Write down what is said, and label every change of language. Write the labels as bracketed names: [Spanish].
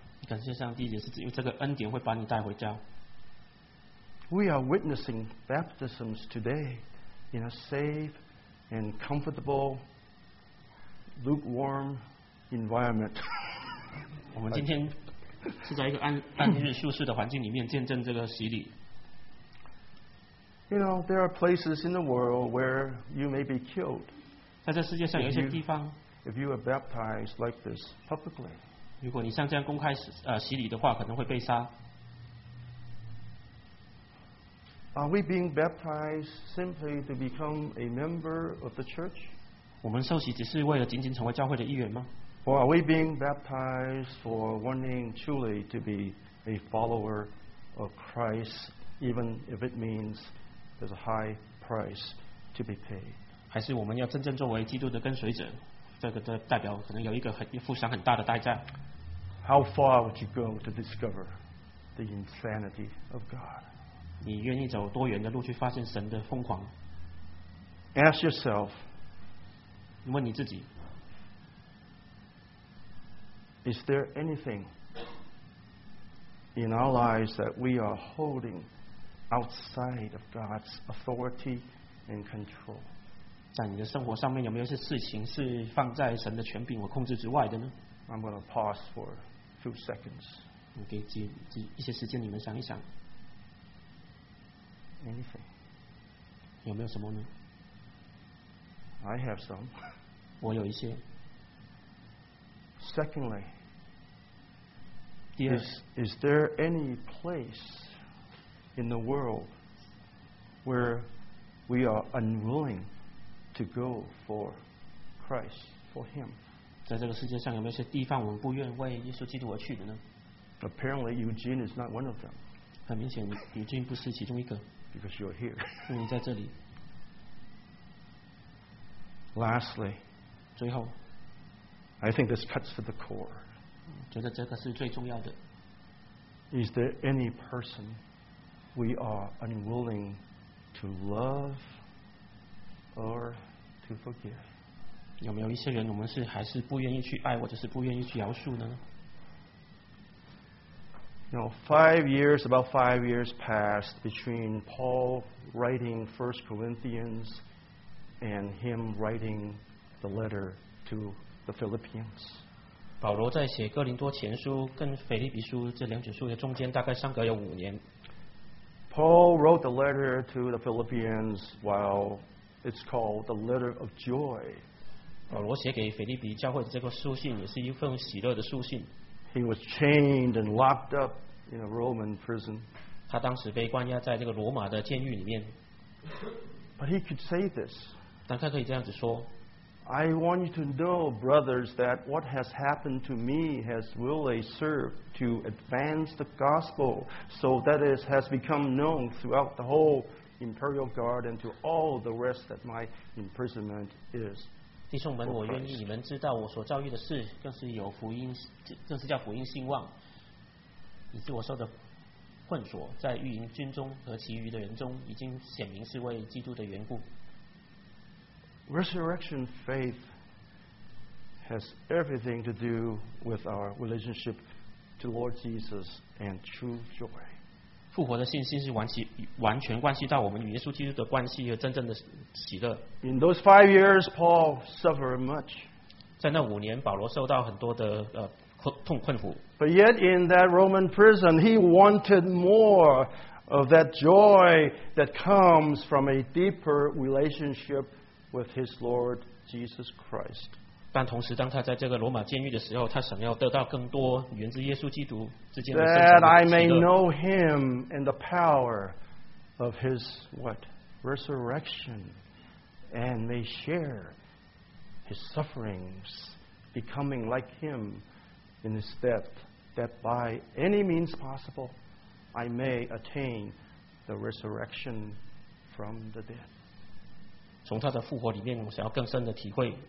[Chinese] 感谢上帝，也是因为这个恩典会把你带回家。 [English] We are witnessing baptisms today in a safe and comfortable, lukewarm environment. [Chinese] 我们今天是在一个安逸舒适的环境里面见证这个洗礼。 [English] You know, there are places in the world where you may be killed. [Chinese] 在这世界上有一些地方 [English] if you are baptized like this publicly. [Chinese] 如果你像这样公开洗礼的话，可能会被杀。 [English] Are we being baptized simply to become a member of the church? [Chinese] 我们受洗只是为了仅仅成为教会的一员吗？ [English] Or are we being baptized for wanting truly to be a follower of Christ, even if it means there's a high price to be paid? [Chinese] 还是我们要真正作为基督的跟随者，这个的代表可能有一个付上很大的代价。 [English] How far would you go to discover the insanity of God? [Chinese] 你愿意走多远的路去发现神的疯狂？ [English] Ask yourself， [Chinese] 你问你自己， [English] Is there anything in our lives that we are holding outside of God's authority and control？ [Chinese] 在你的生活上面有没有一些事情是放在神的权柄和控制之外的呢？ [English] I'm going to pause for a few seconds。 [Chinese] 我给一些时间你们想一想。 [English] Anything. [Chinese] 有没有什么呢？ [English] I have some. [Chinese] 我有一些。 [English] Secondly, [Chinese] 第二, [English] is there any place in the world where we are unwilling to go for Christ, for Him? [Chinese] 在这个世界上有没有些地方我们不愿为耶稣基督而去的呢？ [English] Apparently, Eugene is not one of them. [Chinese] 很明显，尤金不是其中一个。 [English] Because you're here. [Chinese] 因为你在这里。 [English] Lastly, [Chinese] 最后 [English] I think this cuts to the core. [Chinese] 觉得这个是最重要的。 [English] Is there any person we are unwilling to love or to forgive? [Chinese] 有没有一些人我们还是不愿意去爱，或者是不愿意去饶恕呢？ [English] You know, about five years passed between Paul writing 1 Corinthians and him writing the letter to the Philippians. [Chinese] 保罗在写哥林多前书跟腓立比书这两卷书的中间大概相隔有五年。 [English] Paul wrote the letter to the Philippians while it's called the letter of joy. [Chinese] 保罗写给腓立比教会的这个书信也是一份喜乐的书信。 [English] He was chained and locked up in a Roman prison. [Chinese] 他当时被关押在这个罗马的监狱里面。 [English] But he could say this. [Chinese] 但他可以这样子说。 [English] I want you to know, brothers, that what has happened to me has really served to advance the gospel so that it has become known throughout the whole imperial guard and to all the rest that my imprisonment is. [Chinese] 弟兄们，我愿意你们知道我所遭遇的事，更是有福音，更是叫福音兴旺，以致我受的困锁在御营军中和其余的人中已经显明是为基督的缘故。 [English] Resurrection faith has everything to do with our relationship to Lord Jesus and true joy. [Chinese] 复活的信心是完全关系到我们与耶稣基督的关系和真正的喜乐。 [English] In those 5 years, Paul suffered much. [Chinese] 在那五年，保罗受到很多的痛困苦。 [English] But yet in that Roman prison, he wanted more of that joy that comes from a deeper relationship with his Lord Jesus Christ. [Chinese] 但同时当他在这个罗马监狱的时候，他想要得到更多源自耶稣基督之间的真正的喜乐。 [English] That I may know him and the power of his what? Resurrection and may share his sufferings, becoming like him in his death, that by any means possible, I may attain the resurrection from the dead. [Chinese] 从他的复活里面，我想要更深的体会。